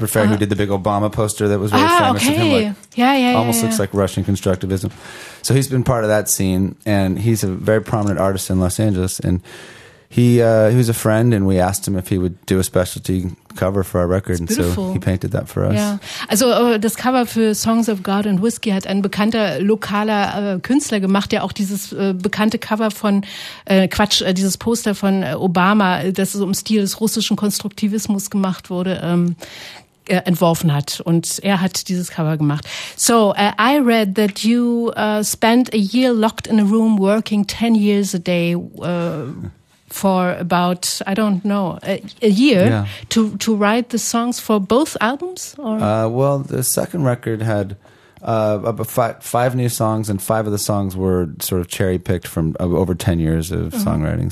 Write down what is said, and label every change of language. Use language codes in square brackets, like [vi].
[en] Shepard Fairey, who did the big Obama poster that was really famous. Okay. Of him, like, almost looks like Russian constructivism. So he's been part of that scene, and he's a very prominent artist in Los Angeles. And he was a friend, and we asked him if he would do a specialty cover for our record. It's beautiful. And so he painted that for us. [de] Ja. Also das Cover für Songs of God and Whiskey hat ein bekannter lokaler Künstler gemacht, der auch dieses bekannte Cover von, dieses Poster von Obama, das so im Stil des russischen Konstruktivismus gemacht wurde, entworfen hat. Und er hat dieses Cover gemacht. [en] So, I read that you spent a year locked in a room working 10 years a day for about, I don't know, a year to write the songs for both albums? Or? Well, the second record had five new songs, and five of the songs were sort of cherry-picked from over 10 years of songwriting.